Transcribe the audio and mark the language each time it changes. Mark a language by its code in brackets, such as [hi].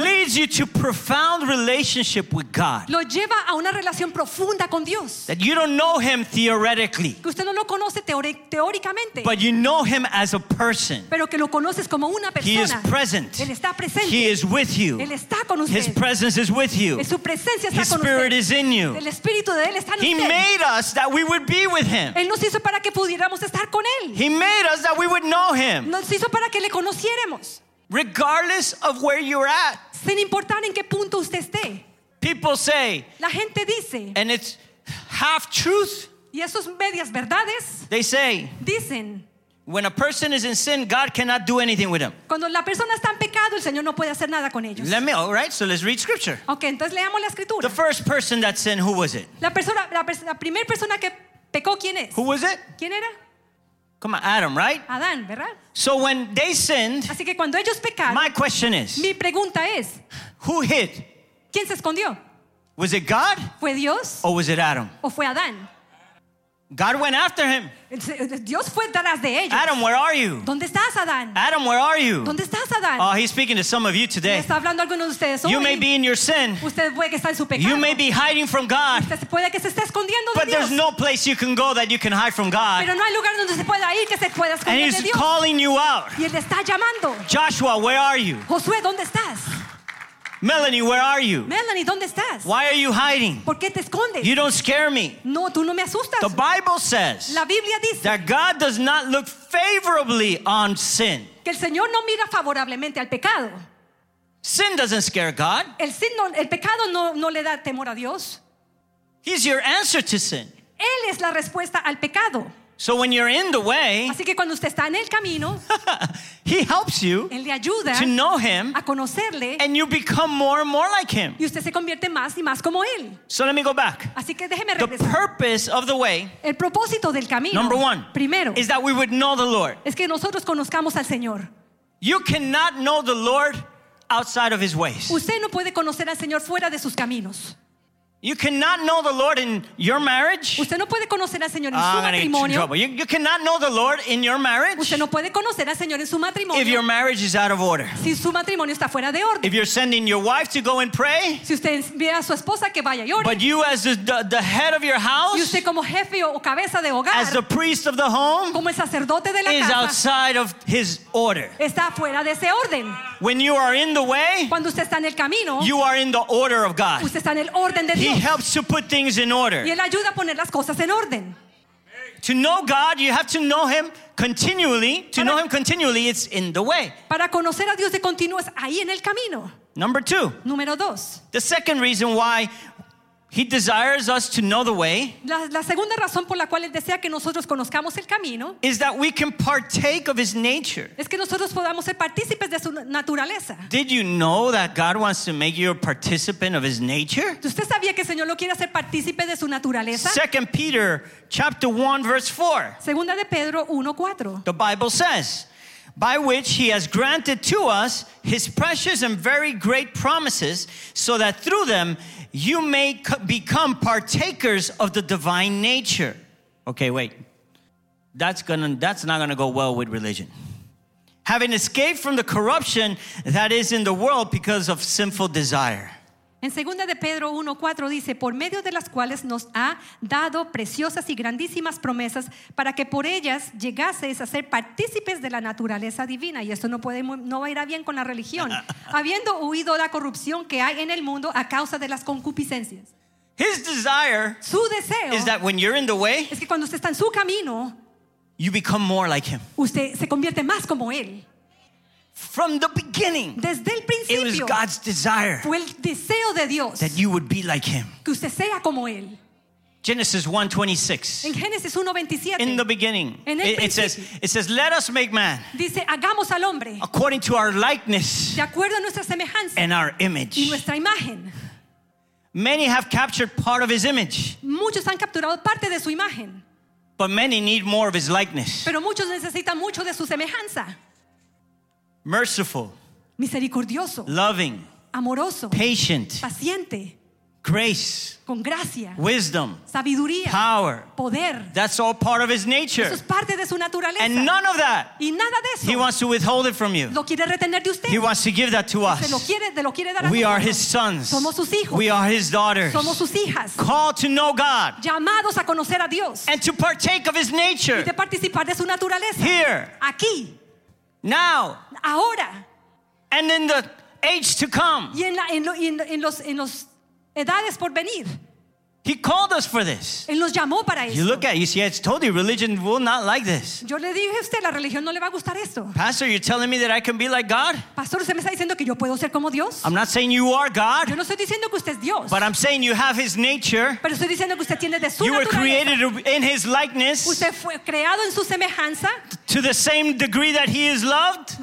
[en] leads you to profound relationship with God. [es] Lo lleva a una relación profunda con Dios. [en] That you don't know him theoretically. [es] Que usted no lo conoce teóricamente. [en] But you know him as a person. [es] Pero que lo conoces como una persona. [en] He is present. [es] Él está presente. [en] He is with you. [es] Él está con usted. [en] His presence is with you. [es] Su presencia está [en] his [es] con usted. [en] Spirit is in you. [es] El espíritu de él está en [en] he [es] usted. [en] Made us that we would be with him. [es] Él nos hizo para que pudiéramos estar con él. [en] He made us that we would know him. [es] Nos hizo para que le conociéramos. [en] Regardless of where you're at, [es] sin importar en qué punto usted esté, [en] people say, [es] la gente dice, [en] and it's half truth. [es] Y eso es medias verdades. [en] They say, [es] dicen, [en] when a person is in sin, God cannot do anything with them. [es] Cuando la persona está en pecado, el Señor no puede hacer nada con ellos. [en] Let me, all right, so let's read scripture. [es] Okay, entonces leamos la escritura. [en] The first person that sinned, who was it? [es] La primera persona que pecó, ¿quién es? [en] Who was it? [es] ¿Quién era? [en] Come on, Adam, right? [es] Adán, ¿verdad? [en] So when they sinned, [es] así que cuando ellos pecaron, [en] my question is, [es] mi pregunta es, [en] who hid? [es] ¿Quién se escondió? [en] Was it God? [es] ¿Fue Dios? [en] Or was it Adam? [es] ¿O fue Adán? [en] God went after him. [es] Dios fue tras de ellos. [en] Adam, where are you? [es] ¿Dónde estás, Adán? [en] Adam, where are you? [es] ¿Dónde estás, Adán? [en] Oh, he's speaking to some of you today. [es] Está hablando a algunos de ustedes hoy. [en] You may be in your sin. [es] Usted puede que esté en su pecado. [en] You may be hiding from God. [es] Usted puede que se esté escondiendo de Dios. [en] But there's no place you can go that you can hide from God. [es] Pero no hay lugar donde se pueda ir que se pueda esconder de Dios. [en] And he's calling you out. [es] Y él está llamando. [en] Joshua, where are you? [es] Josué, ¿dónde estás? [en] Melanie, where are you? [es] Melanie, ¿dónde estás? [en] Why are you hiding? [es] ¿Por qué te escondes? [en] You don't scare me. [es] No, tú no me asustas. [en] The Bible says, [es] la Biblia dice, [en] that God does not look favorably on sin. [es] Que el Señor no mira favorablemente al pecado. [en] Sin doesn't scare God. [es] El pecado no le da temor a Dios. [en] He's your answer to sin. [es] Él es la respuesta al pecado. [en] So when you're in the way, [es] así que cuando usted está en el camino, [en] he helps you, [es] él le ayuda, [en] to know him, [es] a conocerle, [en] and you become more and more like him. [es] Y usted se convierte más y más como él. [en] So let me go back. [es] Así que déjeme regresar. [en] The purpose of the way, [es] el propósito del camino, [en] number one, [es] primero, [en] is that we would know the Lord. [es] Es que nosotros conozcamos al Señor. [en] You cannot know the Lord outside of his ways. [es] Usted no puede conocer al Señor fuera de sus caminos. [en] You cannot know the Lord in your marriage. [es] Usted no puede conocer al Señor en su matrimonio. [en] You cannot know the Lord in your marriage. [es] Usted no puede conocer al Señor en su matrimonio. [en] If your marriage is out of order. [es] Si su matrimonio está fuera de orden. [en] If you're sending your wife to go and pray. [es] Si usted envía a su esposa que vaya y ore. [en] But you as the head of your house. [es] Y usted como jefe o cabeza de hogar. [en] As the priest of the home. [es] Como el sacerdote de la casa. [en] Is outside of his order. [es] Está fuera de ese orden. [en] When you are in the way. [es] Cuando usted está en el camino. [en] You are in the order of God. [es] Usted está en el orden de Dios. [en] He helps to put things in order. [es] Y él ayuda a poner las cosas en orden. [en] To know God, you have to know him continually. To know him continually, it's in the way. [es] Para conocer a Dios de continuo es ahí en el camino. [en] Number two. [es] Número dos. [en] The second reason why he desires us to know the way. [es] La segunda razón por la cual él desea que nosotros conozcamos el camino. [en] Is that we can partake of his nature. [es] Es que nosotros podamos ser partícipes de su naturaleza. [en] Did you know that God wants to make you a participant of his nature? [es] ¿Usted sabía que el Señor lo quiere hacer partícipe de su naturaleza? [en] 2 Peter chapter 1 verse 4. [es] Segunda de Pedro 1:4. [en] The Bible says, by which he has granted to us his precious and very great promises, so that through them you may become partakers of the divine nature. Okay, wait. That's not going to go well with religion. Having escaped from the corruption that is in the world because of sinful desire. [es] En 2 de Pedro 1:4 dice, por medio de las cuales nos ha dado preciosas y grandísimas promesas para que por ellas llegaseis a ser partícipes de la naturaleza divina. Y esto no va a ir bien con la religión. Habiendo huido la corrupción que hay en el mundo a causa de las concupiscencias. [en] His desire, [es] su deseo, [en] is that when you're in the way, [es] es que cuando usted está en su camino, [en] you become more like him. [es] Usted se convierte más como él. [en] From the beginning, [es] desde el principio, [en] it was God's desire, [es] fue el deseo de Dios, [en] that you would be like him. [es] Que usted sea como él. [en] Genesis 1:26. [es] En Génesis 1:27. [en] In the beginning, [es] en el principio, [en] it says, "Let us make man." [es] Dice, hagamos al hombre. [en] According to our likeness, [es] de acuerdo a nuestra semejanza, [en] and our image, [es] y nuestra imagen. [en] Many have captured part of his image. [es] Muchos han capturado parte de su imagen. [en] But many need more of his likeness. [es] Pero muchos necesitan mucho de su semejanza. [en] Merciful, [es] misericordioso, [en] loving, [es] amoroso, [en] patient, [es] paciente, [en] grace, [es] con gracia, [en] wisdom, [es] sabiduría, [en] power, [es] poder. [en] That's all part of his nature. [es] Eso es parte de su naturaleza. [en] And none of that, [es] y nada de eso, [en] he wants to withhold it from you. [es] Lo quiere retener de usted. [en] He wants to give that to us. [es] Se lo quiere, de lo quiere dar a nosotros. [en] We are his sons. [es] Somos sus hijos. [en] We are his daughters. [es] Somos sus hijas. [en] Called to know God. [es] Llamados a conocer a Dios. [en] And to partake of his nature. [es] Y de participar de su naturaleza. [en] Here. [es] Aquí. [en] Now, [es] ahora, [en] and in the age to come, [es] y en los edades por venir, [en] he called us for this. [es] Él nos llamó para esto. [en] You look at it, you see, it's totally religion will not like this. [es] Yo le dije a usted, la religión no le va a gustar esto. [en] Pastor, you're telling me that I can be like God? [es] Pastor, usted me está diciendo que yo puedo ser como Dios. [en] I'm not saying you are God. [es] Yo no estoy diciendo que usted es Dios. [en] But I'm saying you have His nature. [es] Pero estoy diciendo que usted tiene de su naturaleza. [en] You were created in His likeness. [es] Usted fue creado en su semejanza. [en] To the same degree that He is loved.